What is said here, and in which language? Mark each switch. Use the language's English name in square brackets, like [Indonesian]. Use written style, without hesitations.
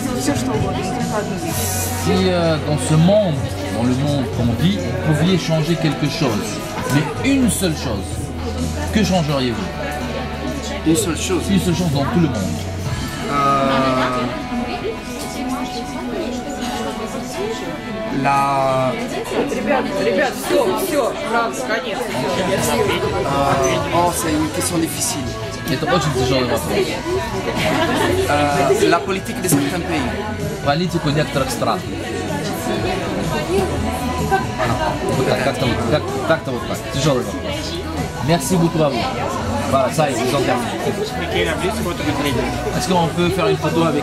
[French] Si dans ce monde, dans le monde qu'on vit, vous pouviez changer quelque chose, mais une seule chose, que changeriez-vous? Une seule chose. Une seule chose dans tout le monde. La. Oh, c'est une question difficile. [Russian] Это очень тяжелый вопрос. [French] La politique de certains pays. [Russian] Политику некоторых стран. Вот так, как-то вот так. Как-то вот так. Тяжелый вопрос. [French] Merci beaucoup à vous. Sai, vous en termes. Est-ce qu'on peut faire une photo avec